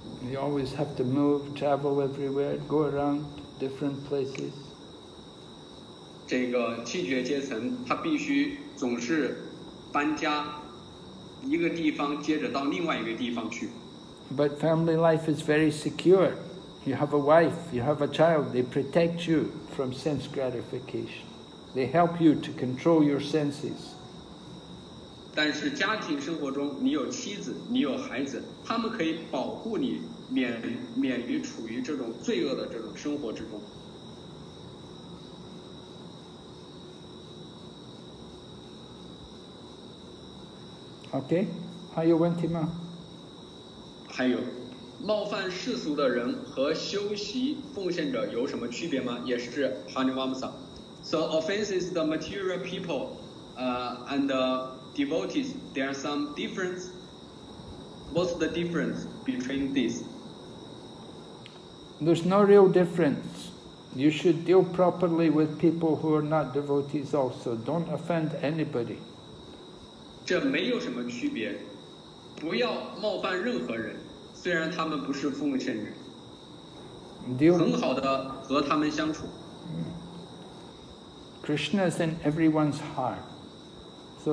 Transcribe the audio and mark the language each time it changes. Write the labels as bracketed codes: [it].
[en] You always have to move, travel everywhere, go around different places. [zh] 这个弃觉阶层，他必须总是搬家，一个地方接着到另外一个地方去。 [en] But family life is very secure. You have a wife, you have a child, they protect you from sense gratification. They help you to control your senses. [zh] 但是家庭生活中，你有妻子，你有孩子，他们可以保护你免于处于这种罪恶的这种生活之中。 OK， 还有问题吗？还有，冒犯世俗的人和修习奉献者有什么区别吗？也是 Hanumansa。 [en] So offenses the material people, and devotees, there are some difference. What's the difference between these? There's no real difference. You should deal properly with people who are not devotees also. Don't offend anybody. [zh] 这没有什么区别，不要冒犯任何人，虽然他们不是奉献人。很好的和他们相处。 [en] Krishna is in everyone's heart. So,